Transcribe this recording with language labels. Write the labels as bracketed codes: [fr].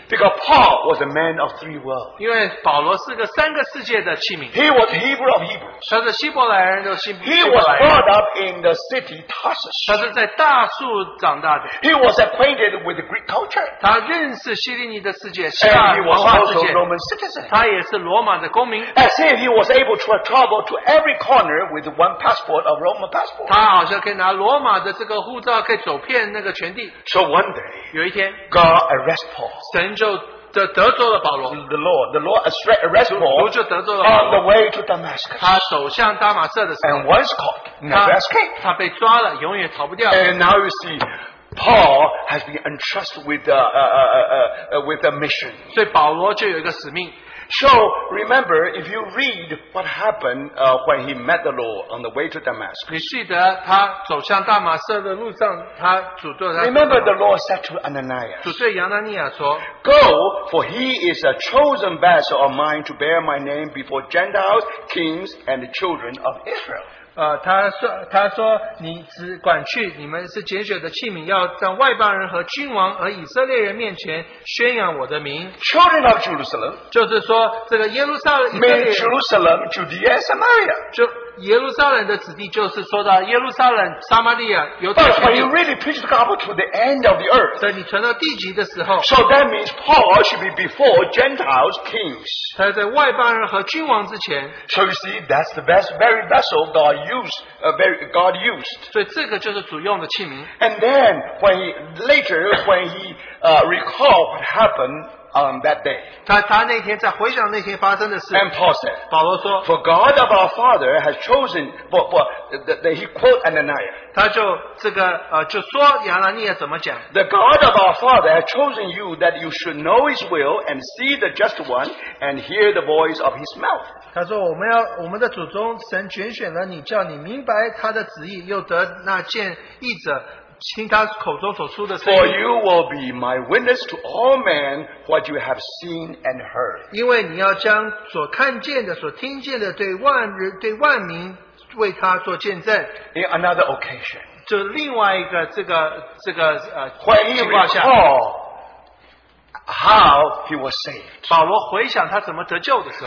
[en] Because Paul was a man of three worlds. [zh] 因为保罗是个三个世界的器皿. [en] He was Hebrew of Hebrews. [zh] 他是希伯来人的希伯来人. [en] He was brought up in the city Tarsus. [zh] 他是在大树长大的. [en] He was acquainted with the Greek culture. [zh] 他认识希利尼的, [en] and he was also a Roman citizen. As if he was able to travel to every corner with one passport, a Roman passport. So one day, [zh] 有一天, [en] God arrested Paul. [zh] 神就得罪了保罗, [en] the Lord arrested Paul on the way to Damascus. [zh] 他走向大马色的时候, [en] and once caught, never escaped. [zh] 他被抓了, 永远逃不掉, [en] and now you see, Paul has been entrusted with a mission. [zh] 所以保罗就有一个使命. [en] So remember, if you read what happened when he met the Lord on the way to Damascus. [zh] 你记得他走向大马色的路上, 他主对他说, [en] remember the Lord said to Ananias. [zh] 主对亚拿尼亚说, [en] go, for he is a chosen vessel of mine to bear my name before Gentiles, kings, and the children of Israel. [zh] 他说, 你只管去, 你们是拣选的器皿, 要让外邦人和君王和以色列人面前宣扬我的名, [en] children of Jerusalem, [zh] 就是说, 这个耶路撒冷, [en] Jerusalem, Judea, Samaria, [zh] 耶路撒冷的子弟就是说到耶路撒冷、撒玛利亚, [en] but when you really preach the gospel to the end of the earth, [zh] 等你传到地极的时候, [en] so that means Paul should be before Gentiles, kings. [zh] 他在外邦人和君王之前, [en] so you see, that's the best, very vessel God used. God used. [zh] 所以这个就是主用的器皿. [en] And then when he later when he recalled what happened on that day, [zh] 他那天在回想那天发生的事, [en] and Paul said, [zh] 保罗说, [en] for God of our father has chosen, but he quoted Ananias. [zh] 他就说亚拿尼亚怎么讲, [en] the God of our father has chosen you that you should know his will and see the just one and hear the voice of his mouth. [zh] 他说我们的祖宗神拣选了你叫你明白他的旨意又得那见义者, [en] for you will be my witness to all men what you have seen and heard. [zh] 因为你要将所看见的、所听见的对万民为他做见证。 [en] In another occasion, [zh] 就另外一个这个 [en] when he recalled how he was saved. [zh] 保罗回想他怎么得救的时候,